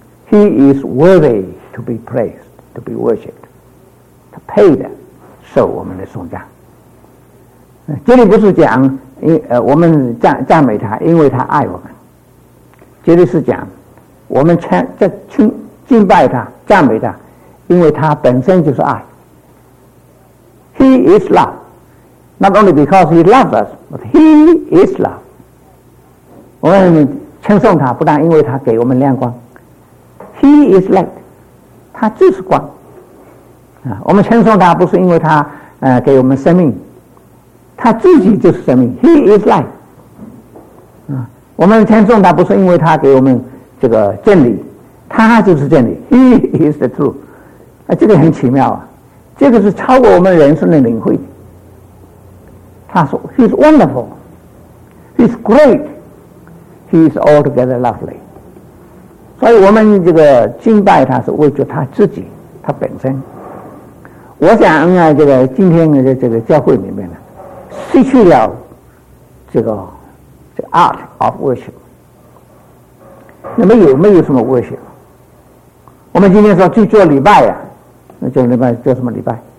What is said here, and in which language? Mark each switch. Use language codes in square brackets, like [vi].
[en] He is worthy to be praised, to be worshipped. [zh] 他配的受我们的颂赞。这里不是讲我们赞美他，因为他爱我们。这里是讲我们敬拜他、赞美他，因为他本身就是爱。 [en] He is love, not only because he loves us, but he is love. [zh] 我们称颂他，不但因为他给我们亮光。 [en] He is light, [zh] 他就是光。我们称颂他不是因为他给我们生命，他自己就是生命。 [en] He is light, [zh] 我们称颂他不是因为他给我们这个真理，他就是真理。 [en] He is the truth, [zh] 这个很奇妙啊，这个是超过我们人生的领会。他说 [en] He is wonderful, He is great, He is altogether lovely. [zh] 所以我们这个敬拜他是为着他自己，他本身。我想啊，这个今天的这个教会里面呢，失去了这个 [en] art of worship。 [zh] 那么没有什么 worship。我们今天说去做礼拜啊，那做礼拜做什么礼拜？